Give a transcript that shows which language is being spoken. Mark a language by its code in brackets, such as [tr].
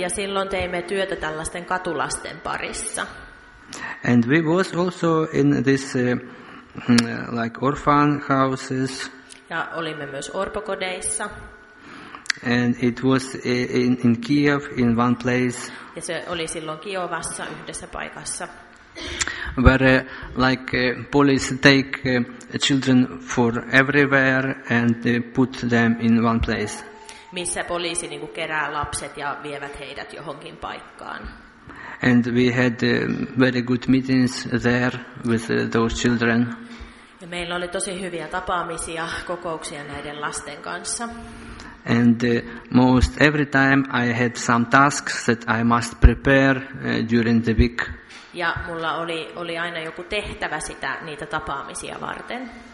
[fi] Ja silloin teimme työtä tällaisten katulasten parissa. [en] And we was also in this like orphan houses. [fi] Ja olimme myös orpokodeissa. [en] And it was in Kiev in one place. [fi] Ja se oli silloin Kiovassa yhdessä paikassa. [en] Where like police take children for everywhere and put them in one place. [fi] Missä poliisi niinku kerää lapset ja vievät heidät johonkin paikkaan. [en] And we had very good meetings there with those children. [fi] Ja meillä oli tosi hyviä tapaamisia, kokouksia näiden lasten kanssa. [en] And most every time I had some tasks that I must prepare during the week. [fi] Ja mulla oli aina joku tehtävä sitä niitä tapaamisia varten.